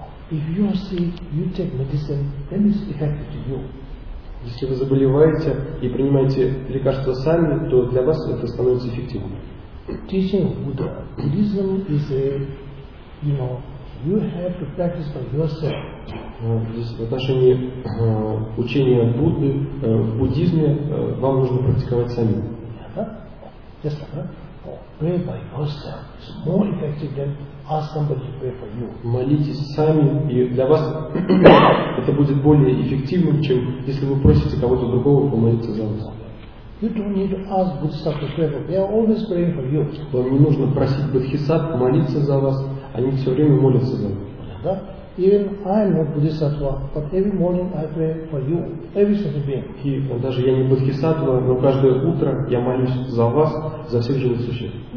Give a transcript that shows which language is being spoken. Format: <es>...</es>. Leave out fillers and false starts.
<en>If you are sick, you take medicine, then it's effective to you.</en> <ru>Если вы заболеваете и принимаете лекарства сами, то для вас это становится эффективным.</ru> <en>Teaching Buddha, Buddhism is a, you know, you have to practice by yourself.</en> <ru>Здесь в отношении учения Будды, в буддизме, вам нужно практиковать сами.</ru> <en>Yes, right? Pray by yourself. It's more effective than ask somebody to pray for you.</en> <ru>Молитесь сами, и для вас это будет более эффективным, чем если вы просите кого-то другого помолиться за вас.</ru> <en>You don't need to ask Buddhists to pray for you. They are always praying for you.</en> <ru>Вам не нужно просить Буддхисат молиться за вас, они все время молятся за вас. Да?</ru> <en>Even I am not Buddhisattva, but every morning I pray for you, every single being.</en> <ru>И даже я не Буддхисаттва, но каждое утро я молюсь за вас, за всех живых существ.</ru>